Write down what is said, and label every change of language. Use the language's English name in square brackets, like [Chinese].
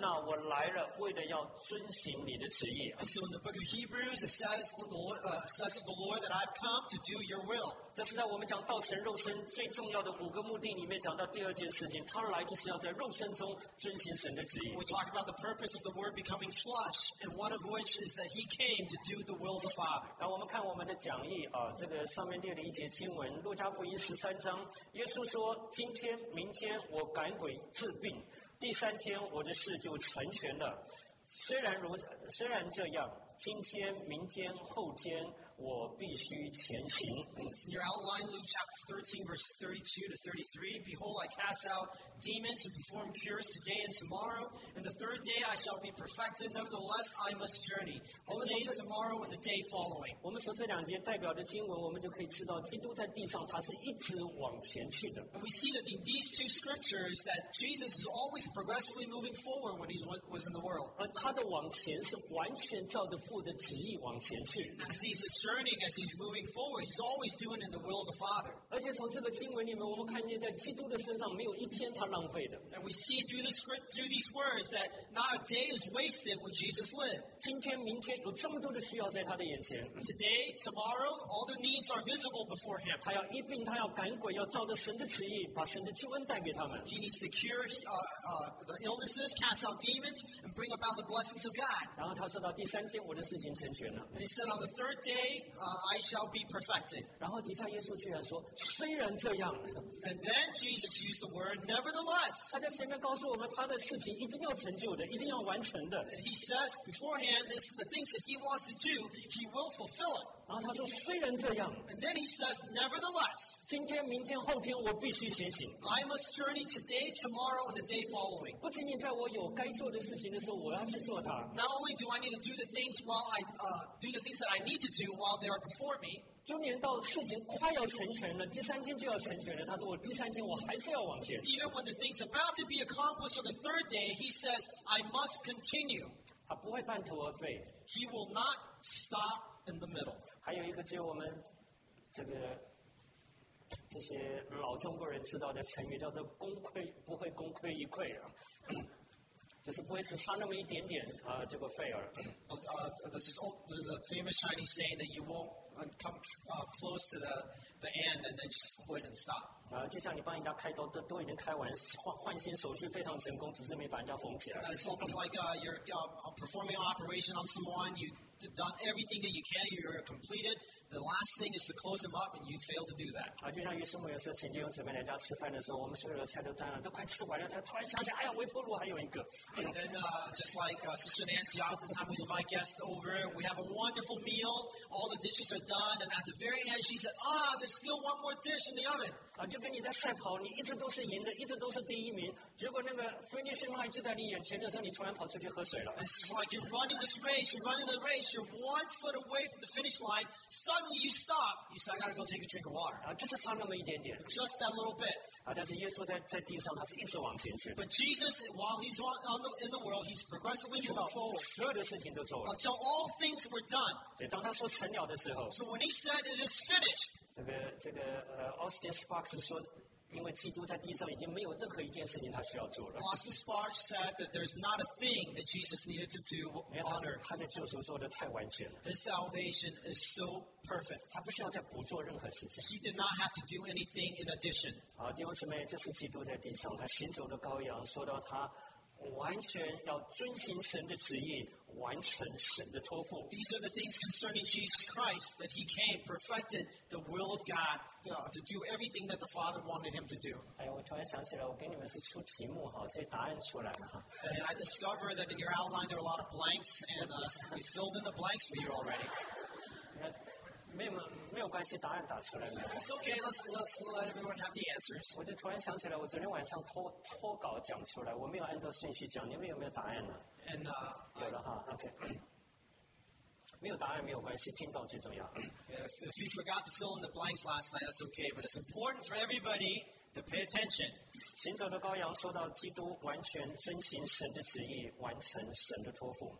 [Chinese] 所以在希伯来书，那你讲到说，耶稣来的时候就对父说：“神啊，我来了，为的要遵行你的旨意。” [English] So in the book of Hebrews, it says, says of the Lord that I've come to do your will. [Chinese] 这是在我们讲道成肉身最重要的五个目的里面讲到第二件事情，他来就是要在肉身中遵行神的旨意。 [English] We talk about the purpose of the Word becoming flesh, and one of which is that He came to do the will of the Father. [Chinese] 然后我们看我们的讲义啊，这个上面列了一节经文，《路加福音》13章，耶稣说：“今天、明天我赶鬼治病，第三天我的事就成全了。”虽然这样，今天、明天、后天，我必须前行。 [English] In your outline, Luke chapter 13, verse 32 to 33, Behold, I cast out demons and perform cures today and tomorrow, and the third day I shall be perfected. Nevertheless, I must journey today, tomorrow, and the day following. [Chinese] 我们说这两节代表的经文，我们就可以知道基督在地上，他是一直往前去的。 [English] And we see that in these two scriptures that Jesus is always progressively moving forward when he was in the world. [Chinese] 而他的往前是完全照着父的旨意往前去。 [English] As he's journeying, as he's moving forward, he's always doing in the will of the Father. [Chinese] 而且从这个经文里面，我们看见在基督的身上没有一天他浪费的。 [English] And we see through the script, through these words, that not a day is wasted when Jesus lived. [Chinese] 今天、明天有这么多的需要在他的眼前。 [English] Today, tomorrow, all the needs are visible before him. [Chinese] 他要医病，他要赶鬼，要照着神的旨意，把神的救恩带给他们。 [English] He needs to cure the illnesses, cast out demons, and bring about the blessings of God. [Chinese] 然后他说到第三天，我的事情成全了。 [English] And he said on the third day, I shall be perfected. [Chinese] 然后底下耶稣居然说，虽然这样。 [English] And then Jesus used the word nevertheless. [Chinese] 他在前面告诉我们，他的事情一定要成就的，一定要完成的。 [English] And he says beforehand, this the things that he wants to do, he will fulfill it. [Chinese] 然后他说：“虽然这样 [English] ，”And then he says, "Nevertheless, [Chinese] 今天、明天、后天，我必须前行。 [English] I must journey today, tomorrow, and the day following. [Chinese] 不仅仅在我有该做的事情的时候，我要去做它。 [English] Not only do I need to do the things while I do the things that I need to do while they are before me. [Chinese] 中年到事情快要成全了，第三天就要成全了。他说：“我第三天我还是要往前。 [English] ”Even when the things about to be accomplished on the third day, he says, "I must continue." [Chinese] 他不会半途而废。 [English] He will not stop. In the middle. [Chinese] 还有一个只有我们这个这些老中国人知道的成语叫做功亏不会功亏一篑啊，就是不会只差那么一点点啊，结果废了。 [English] There's a famous Chinese saying that you won't come close to the end and then just quit and stop. [Chinese] 啊，就像你帮人家开刀都已经开完换新手术非常成功，只是没把人家缝起来。 [English] It's almost like you're performing an operation on someone you. Done everything that you can, you're completed. The last thing is to close them up, and you fail to do that. [Chinese] 啊，就像有时候有时候曾经有姊妹来家吃饭的时候，我们所有的菜都端了，都快吃完了，她突然想起，哎呀，微波炉还有一个。 [English] And then, just like Sister Nancy, oftentimes we invite guests over, we have a wonderful meal, all the dishes are done, and at the very end, she said, there's still one more dish in the oven. [Chinese] 啊，就跟你在赛跑，你一直都是赢的，一直都是第一名，结果那个 finishing line 就在你眼前的时候，你突然跑出去喝水了。 [English] It's just like you're running this race, you're running the race. You're 1 foot away from the finish line. Suddenly, you stop. You say, "I gotta go take a drink of water." [Chinese] 啊，就是差那么一点点。 [English] Just that little bit. [Chinese] 啊，但是耶稣在地上，他是一直往前去。 [English] But Jesus, while he's in the world, he's progressively moving forward. [Chinese] 所有的事情都做了。 [English] Until all things were done. [Chinese] 对，当他说成了的时候。 [English] So when he said it is finished. [Chinese] 这个Austin Sparks 说。因为基督在地上已经没有任何一件事情他需要做了。 [English] Austin Sparks said that there's not a thing that Jesus needed to do on earth. [Chinese] 他的救赎做得太完全了。 [English] His salvation is so perfect. [Chinese] 他不需要再补做任何事情。 [English] He did not have to do anything in addition. [Chinese] 好，弟兄姊妹，这是基督在地上他行走的羔羊，说到他完全要遵行神的旨意。完成神的托付。 [English] These are the things concerning Jesus Christ that he came, perfected the will of God to do everything that the Father wanted him to do. [Chinese] 哎呀，我突然想起来，我给你们是出题目哈，所以答案出来了哈。 [English] And I discovered that in your outline there are a lot of blanks, and we filled in the blanks for you already. [Chinese] 没有关系，答案打出来了。 [English] It's okay. Let's let everyone have the answers. [Chinese] 我就突然想起来，我昨天晚上脱稿讲出来，我没有按照顺序讲，你们有没有答案呢？ [English] And, [Chinese] 有了哈 ，OK 。没有答案没有关系，听到最重要。 [English] If you forgot to fill in the blanks last night, that's okay. But it's important for everybody to pay attention. [Chinese] 行走的羔羊说到基督完全遵行神的旨意，完成神的托付。